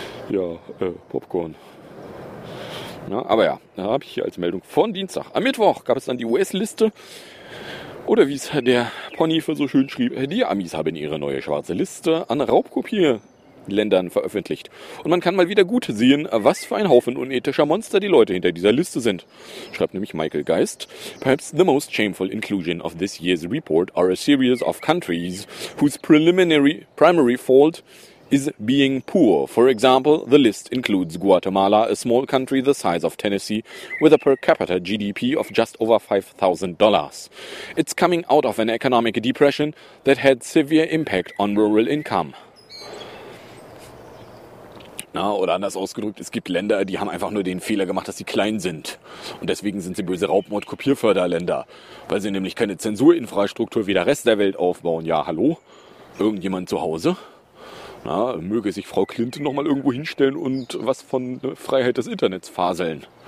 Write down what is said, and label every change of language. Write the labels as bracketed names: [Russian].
[German] Ja, Popcorn. Ja, aber ja, da habe ich hier als Meldung von Dienstag. Am Mittwoch gab es dann die US-Liste. Oder wie es der Pony für so schön schrieb, die Amis haben ihre neue schwarze Liste an Raubkopierländern veröffentlicht. Und man kann mal wieder gut sehen, was für ein Haufen unethischer Monster die Leute hinter dieser Liste sind. Schreibt nämlich Michael Geist. [English] Perhaps the most shameful inclusion of this year's report are a series of countries whose primary fault is being poor. For example, the list includes Guatemala, a small country the size of Tennessee, with a per capita GDP of just over $5,000. It's coming out of an economic depression that had severe impact on rural income. [German] Na, oder anders ausgedrückt, es gibt Länder, die haben einfach nur den Fehler gemacht, dass sie klein sind. Und deswegen sind sie böse Raubmord-Kopierförderländer, weil sie nämlich keine Zensurinfrastruktur wie der Rest der Welt aufbauen. Ja, hallo? Irgendjemand zu Hause? Na, möge sich Frau Clinton nochmal irgendwo hinstellen und was von Freiheit des Internets faseln.